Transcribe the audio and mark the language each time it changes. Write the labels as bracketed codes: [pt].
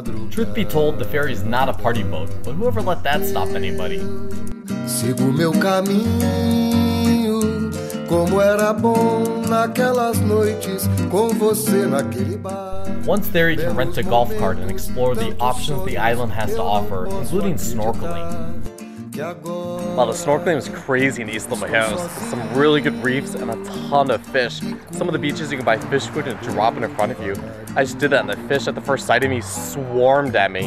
[en] Truth be told, the ferry is not a party boat, but whoever let that stop anybody? [pt] Sigo meu caminho, como era bom naquelas noites com você naquele bar. [en] Once there, you can rent a golf cart and explore the options the island has to offer, including snorkeling. Wow, the snorkeling is crazy in Isla Mujeres. Some really good reefs and a ton of fish. Some of the beaches you can buy fish food and drop it in front of you. I just did that and the fish at the first sight of me swarmed at me.